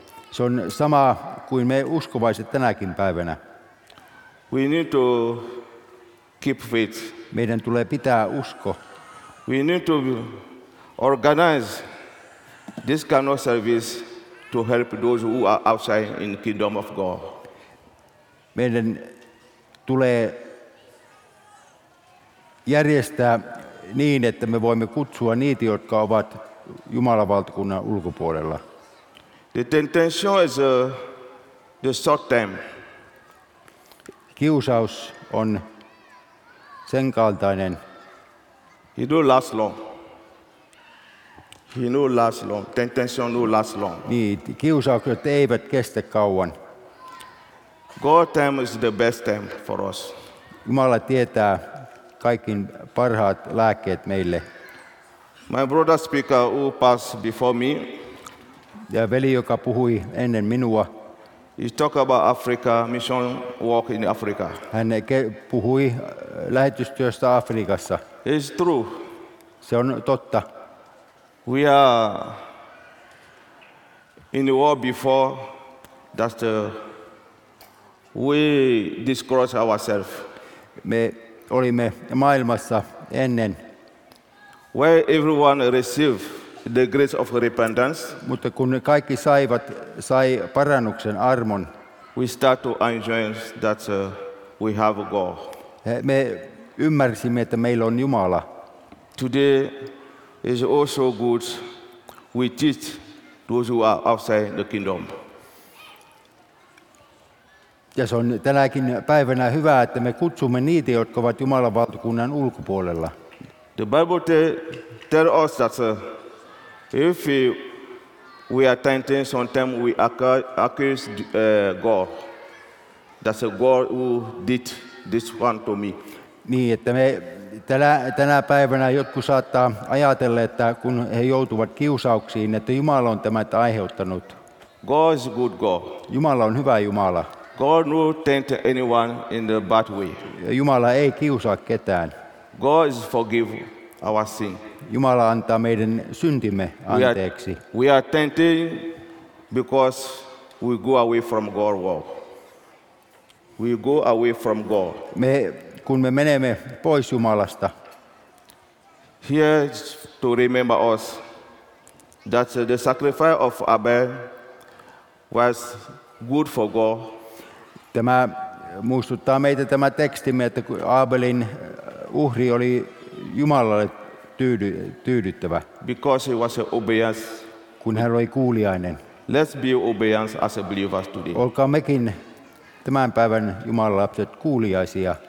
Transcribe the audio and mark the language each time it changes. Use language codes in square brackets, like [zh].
[fi] Se on sama kuin me uskovaiset tänäkin päivänä. [en] We need to keep faith. [fi] Meidän tulee pitää usko. [en] We need to organize this kind of service to help those who are outside in the kingdom of God. [fi] Meidän tulee järjestää niin, että me voimme kutsua niitä, jotka ovat Jumalan valtakunnan ulkopuolella. [en] The temptation is the short term. [fi] Kiusaus on sen kaltainen. [en] He don't last long. He don't last long. Temptation don't last long. [fi] Niin, kiusaukset eivät kestä kauan. [en] God time is the best time for us. [fi] Jumala tietää kaikkein parhaat lääkkeet meille. [en] My brother speaker who passed before me. [fi] Ja veli, joka puhui ennen minua. [en] He talk about Africa, mission work in Africa. [fi] Hän puhui lähetystyöstä Afrikassa. [en] It's true. [fi] Se on totta. [en] We are in the world before that we disgrace ourselves. [fi] Me olimme maailmassa ennen. [en] Where everyone received the grace of repentance. [fi] Mutta kun kaikki sai parannuksen armon. [en] We start to enjoy that we have God. [fi] Me ymmärsimme, että meillä on Jumala. [en] Today is also good. We teach those who are outside the kingdom. [fi] Ja se on tänäkin päivänä hyvä, että me kutsumme niitä, jotka ovat Jumalan valtakunnan ulkopuolella. [en] The Bible tells us that if we are tempted, sometimes we accuse God. That's a God who did this one to me. [fi] Niin, että me tänä päivänä jotkut saattaa ajatella, että kun he joutuvat kiusauksiin, että Jumala on tämä aiheuttanut. [en] God is good God. [fi] Jumala on hyvä Jumala. [en] God will tempt anyone in the bad way. [fi] Jumala ei kiusaa ketään. [en] God is forgive our sin. [fi] Jumala antaa meidän syntimme anteeksi. [en] We are tempted because we go away from God. We go away from God. [fi] Kun me menemme pois Jumalasta. [en] Here to remember us that the sacrifice of Abel was good for God. [fi] Tämä muistuttaa meitä tämä tekstimme, että Abelin uhri oli Jumalalle tyydyttävä. [en] Because he was obedient. [fi] Kun hän oli kuulijainen. [en] Let's be obedient as a believer today. [fi] Olkaa mekin tämän päivän Jumalan lapset kuulijaisia.